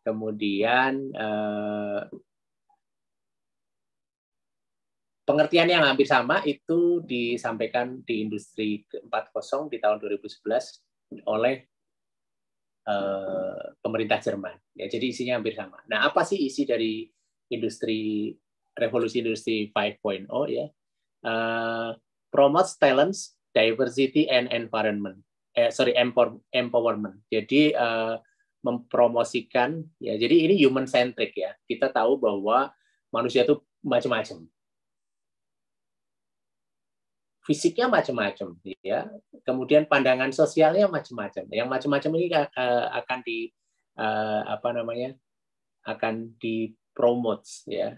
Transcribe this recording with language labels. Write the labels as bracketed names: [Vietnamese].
[Indonesian] Kemudian pengertian yang hampir sama itu disampaikan di industri 4.0 di tahun 2011 oleh pemerintah Jerman. Ya, jadi isinya hampir sama. Nah, apa sih isi dari industri revolusi industri 5.0 ya? [English] Promotes talents, diversity and environment. [Indonesian] Empowerment. Jadi mempromosikan ya. Jadi ini human centric ya. Kita tahu bahwa manusia itu macam-macam. fisiknya macam-macam, ya. Kemudian pandangan sosialnya macam-macam. Yang macam-macam ini akan di apa namanya, akan di promotes, ya.